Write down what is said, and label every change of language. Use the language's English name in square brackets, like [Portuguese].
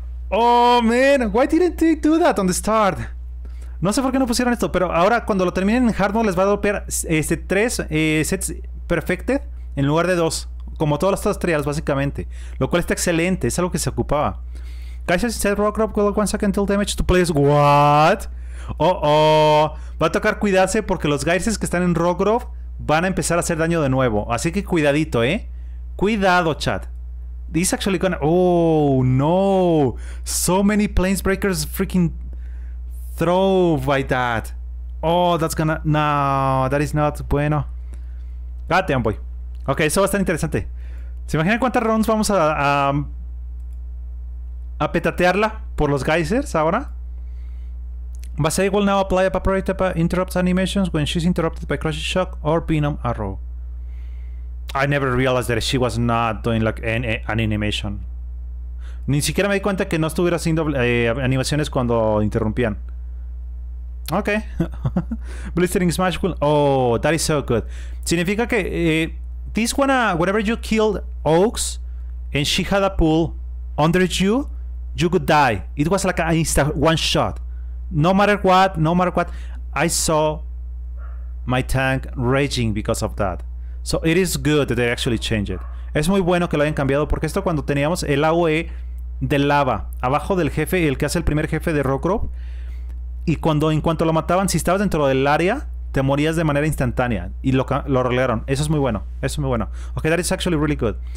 [English] Oh, man. Why didn't they do that on the start? [Spanish] No sé por qué no pusieron esto, pero ahora cuando lo terminen en hard mode les va a dropear 3 sets perfected en lugar de 2. Como todas las otras trials, básicamente. Lo cual está excelente. Es algo que se ocupaba. [English] Kaiser said rock drop will 1 second until damage to players. What? Oh. [Spanish] Va a tocar cuidarse porque los Geysers que están en rock drop van a empezar a hacer daño de nuevo. Así que cuidadito, cuidado, chat. [English] This actually gonna... Oh, no. So many Planesbreakers freaking throw by that. Oh, that's gonna... No, that is not bueno. God damn, boy. [Spanish] Ok, eso va a estar interesante. ¿Se imaginan cuántas rounds vamos a petatearla por los geysers ahora? [English] Basai will now apply a paparazzi to interrupt animations when she's interrupted by Crush Shock or Venom Arrow. I never realized that she was not doing like an animation. [Spanish] Ni siquiera me di cuenta que no estuviera haciendo animaciones cuando interrumpían. [English] Ok. Blistering Smash will... Oh, that is so good. [Spanish] Significa que... [English] this one, whenever you killed Oaks and she had a pull under you, you could die. It was like an instant one shot. No matter what, I saw my tank raging because of that. So it is good that they actually changed it. [Spanish] Es muy bueno que lo hayan cambiado, porque esto cuando teníamos el AOE de lava abajo del jefe, el que hace el primer jefe de Rockrop, Y cuando, en cuanto lo mataban, si estabas dentro del área, te morías de manera instantánea. Y lo rolearon. Eso es muy bueno. Eso es muy bueno. [English] Ok, that is actually really good.